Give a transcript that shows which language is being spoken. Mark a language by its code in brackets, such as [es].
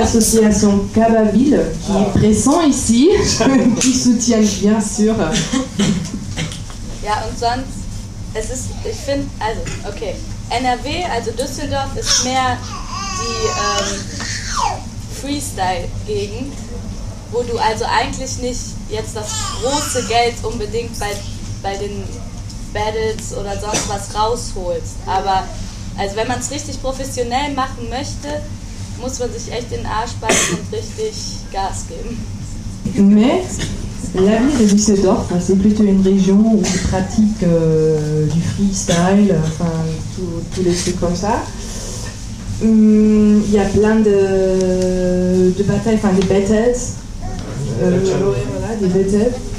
[fr] L'association Kababil, qui est présent ici, qui soutient bien sûr. [de] Ja, und sonst, es ist, ich finde, also, okay, NRW, also Düsseldorf, ist mehr die Freestyle-Gegend, wo du also eigentlich nicht jetzt das große Geld unbedingt bei den Battles oder sonst was rausholst, aber Also wenn man es richtig professionell machen möchte, muss man sich echt in den Arsch beißen und richtig Gas geben. [fr] Mais la ville de Düsseldorf, c'est plutôt une région où on pratique du freestyle, enfin tous les trucs comme ça. Il y a plein de batailles, enfin des battles, voilà, des battles.